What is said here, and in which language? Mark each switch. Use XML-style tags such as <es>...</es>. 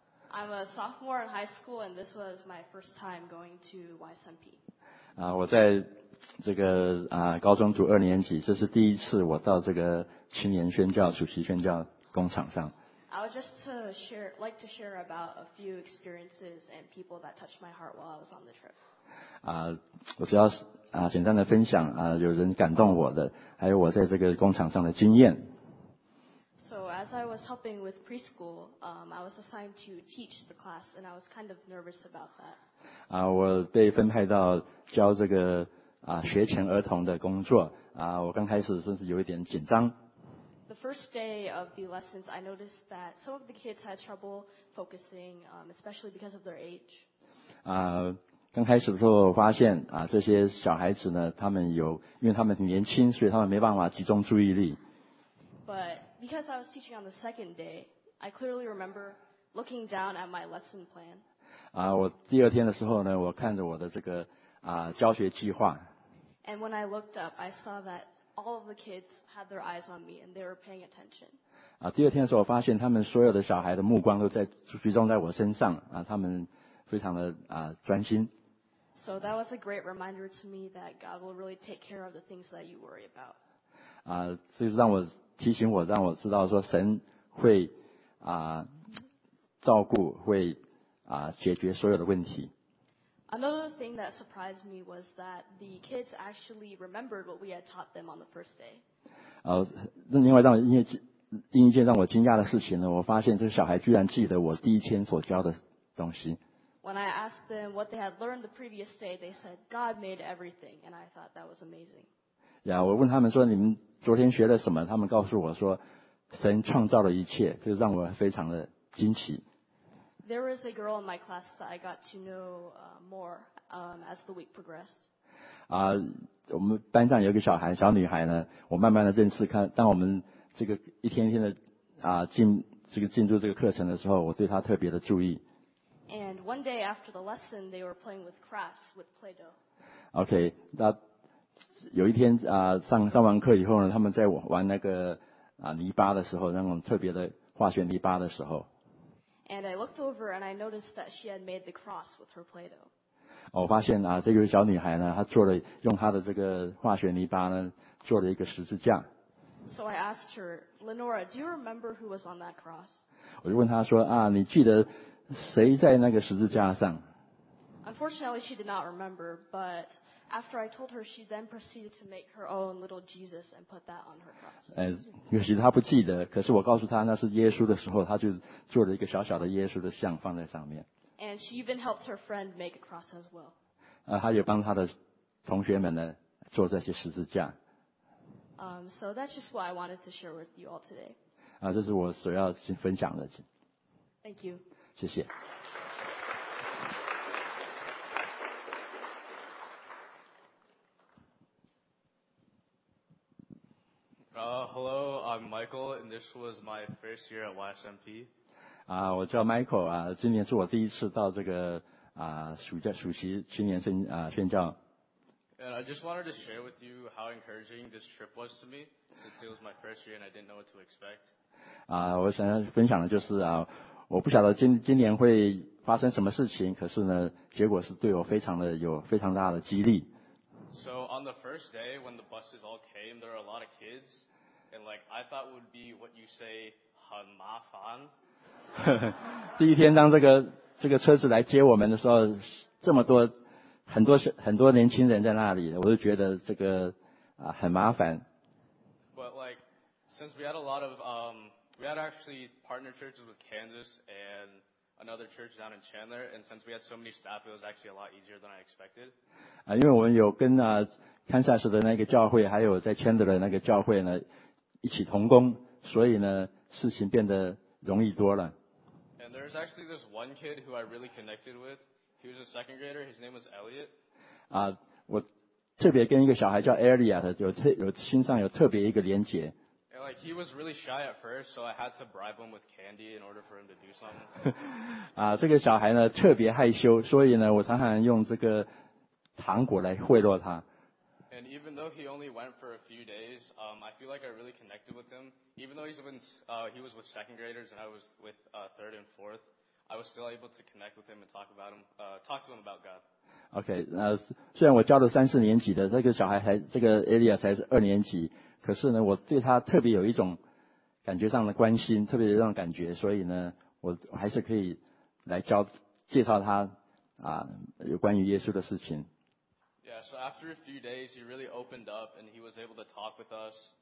<en>I'm a sophomore in high school, and this was my first time going to YSMP.</en> <zh>我在高中读二年级，这是第一次我到这个青年宣教、暑期宣教工厂上。</zh> <en>I would just to share, like to share about a few experiences and people that touched my heart while I was on the trip.</en> <zh>我只要简单的分享，有人感动我的，还有我在这个工厂上的经验。</zh> <en>So as I was helping with preschool, I was assigned to teach the class, and I was kind of nervous about that.</en> <zh>我被分派到教这个学前儿童的工作，我刚开始甚至有一点紧张。</zh> <en>The first day of the lessons, I noticed that some of the kids had trouble focusing, especially because of their age.</en> <zh>刚开始的时候发现这些小孩子呢，他们有，因为他们很年轻，所以他们没办法集中注意力。</zh> <en>But because I was teaching on the second day, I clearly remember looking down at my lesson plan.</en> <zh>我第二天的时候呢，我看着我的这个教学计划。</zh> <en>And when I looked up, I saw that all of the kids had their eyes on me and they were paying attention.</en> <zh>第二天的时候我发现他们所有的小孩的目光都在集中在我身上他们非常的专心。</zh> <en>So that was a great reminder to me that God will really take care of the things that you worry about.</en> <zh>所以让我提醒我让我知道说神会照顾会解决所有的问题。</zh> <en>Another thing that surprised me was that the kids actually remembered what we had taught them on the first day.</en> <zh>另外另一件让我惊讶的事情呢，我发现这个小孩居然记得我第一天所教的东西。</zh> <en>When I asked them what they had learned the previous day, they said, God made everything, and I thought that was amazing.</en> <zh>我问他们说你们昨天学了什么，他们告诉我说神创造了一切，这让我非常的惊奇。</zh> <en>There was a girl in my class that I got to know more as the week progressed.</en> <zh>我们班上有一个小孩，小女孩呢，我慢慢的认识看，当我们这个一天一天的进入这个课程的时候，我对她特别的注意。</zh> <en>And one day after the lesson, they were playing with crafts with Play-Doh.</en> <zh>Okay, 那有一天上完课以后呢，他们在玩那个泥巴的时候，那种特别的化学泥巴的时候。</zh> <en>And I looked over and I noticed that she had made the cross with her Play-Doh.</en> <zh>我发现这个小女孩呢，她做了用她的这个化学泥巴呢，做了一个十字架。</zh> <en>So I asked her, Lenora, do you remember who was on that cross?</en> <zh>我就问她说你记得谁在那个十字架上？</zh> <en>Unfortunately, she did not remember, but after I told her, she then proceeded to make her own little Jesus and put that on her cross.</en> <zh>也许她不记得，可是我告诉她那是耶稣的时候，她就做了一个小小的耶稣的像放在上面。</zh> <en>And she even helped her friend make a cross as well.</en> <zh>她也帮她的同学们呢做这些十字架。</zh> <en>So that's just what I wanted to share with you all today.</en> <zh>这是我所要分享的。</zh> <en>Thank you.</en> <zh>谢谢。</zh> <en>Hello, I'm Michael, and this was my first year at YSMP.</en> <zh>我叫 Michael, 今年是我第一次到这个暑期青年宣教。</zh> <en>And I just wanted to share with you how encouraging this trip was to me, since it was my first year and I didn't know what to expect.</en> <zh>我想分享的就是我不晓得今年会发生什么事情，可是呢，结果是对我非常的有非常大的激励。</zh> <en>So on the first day when the buses all came, there were a lot of kids. And like, I thought would be what you say,</en> <zh>很麻烦。第一天当这个车子来接我们的时候，这么多很多年轻人在那里，我就觉得这个很麻烦。</zh> <en>But like, since we had a lot of, we had actually partner churches with Kansas and another church down in Chandler, and since we had so many staff, it was actually a lot easier than I expected.</en> <zh>因为我们有跟堪萨斯的那个教会，还有在 Chandler 的那个教会呢。一起同工，所以呢，事情变得容易多了。</zh> <en>And there's actually this one kid who I really connected with. He was a second grader. His name was Elliot.</en> <zh>我特别跟一个小孩叫 Elliot 有心上有特别一个连结。</zh> <en>And like he was really shy at first, so I had to bribe him with candy in order for him to do something.</en> <zh>这个小孩呢特别害羞，所以呢，我常常用这个糖果来贿赂他。</zh> <en>And even though he only went for a few days, I feel like I really connected with him. Even though he was with second graders and I was with third and fourth, I was still able to connect with him and talk to him about God.</en> <zh>Okay, 那虽然我教了三四年级的这个小孩还这个 Elias 才是二年级，可是呢，我对他特别有一种感觉上的关心，特别有一种感觉，所以呢，我还是可以来介绍他啊，有关于耶稣的事情。</zh> <en>Yeah, so after a few days, he really opened up and he was able to talk with us.</en>